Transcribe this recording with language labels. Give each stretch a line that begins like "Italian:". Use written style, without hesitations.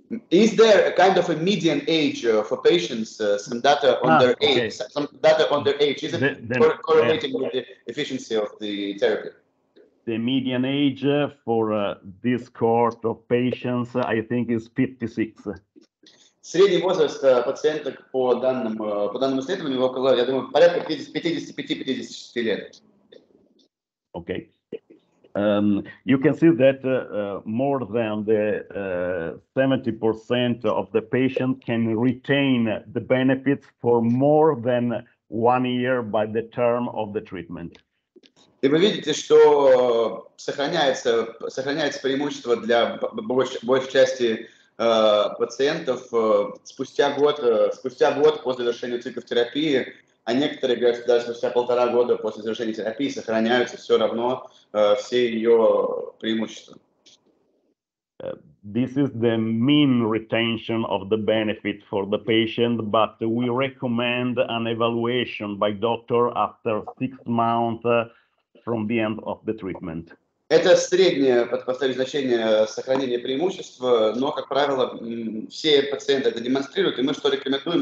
English: Is there a kind of a median age for patients, some data on their age, some data on their age, correlating with the efficiency of the therapy? The median age for this cohort of patients, I think, is 56.
Russian: Средний возраст пациента по данному исследованию около, я думаю, порядка 55-56 лет.
English: Okay. You can see that more than the 70% of the patient can retain the benefits for more than 1 year by the term of the treatment.
Russian: И вы видите, что сохраняется преимущество для большей части пациентов спустя год после завершения циклов терапии. А некоторые говорят, что даже спустя полтора года после завершения терапии сохраняются все равно все ее преимущества.
English: This is the mean retention of the benefit for the patient, but we recommend an evaluation by doctor after 6 months from the end of the treatment.
Russian: Это среднее, повторюсь, значение сохранения преимущества, но, как правило, все пациенты это демонстрируют, и мы что рекомендуем?